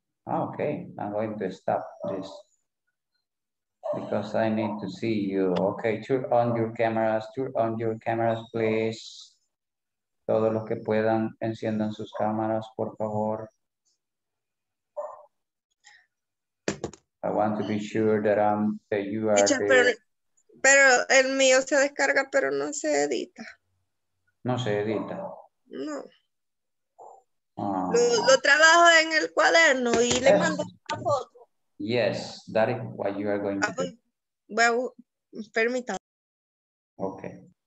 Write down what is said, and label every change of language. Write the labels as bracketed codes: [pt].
[en] Okay, I'm going to stop this because I need to see you. Okay, turn on your cameras, please. [es] Todos los que puedan, enciendan sus cámaras, por favor. [en] I want to be sure that you are teacher, there. [es] Pero el mío se descarga, pero no se edita. No se edita. No. Lo trabajo en el cuaderno y le mando una foto. [en] Yes, that is what you are going to do. Well, permítame. Okay.